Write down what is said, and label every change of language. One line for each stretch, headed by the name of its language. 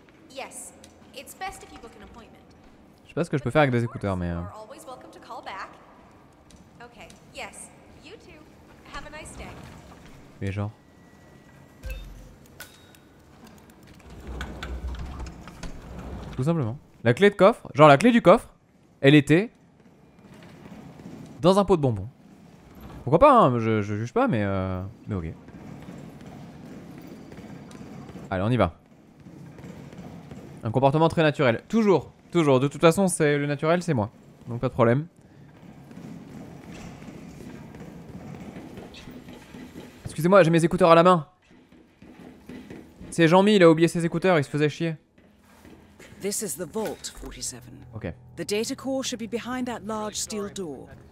English: Yes, it's best if you book an appointment.
French: Je sais pas ce que je peux faire avec des écouteurs, mais.
English: Always welcome to call back. Okay. Yes. You too. Have a nice day.
French: Mais genre. Tout simplement. La clé de coffre, genre la clé du coffre, elle était dans un pot de bonbons. Pourquoi pas, hein, je juge pas, mais ok. Allez, on y va. Un comportement très naturel. Toujours, toujours. De toute façon, c'est le naturel, c'est moi. Donc pas de problème. Excusez-moi, j'ai mes écouteurs à la main. C'est Jean-Mi, il a oublié ses écouteurs, il se faisait chier.
English: This is the vault 47. Okay. The data core should be behind that large steel door.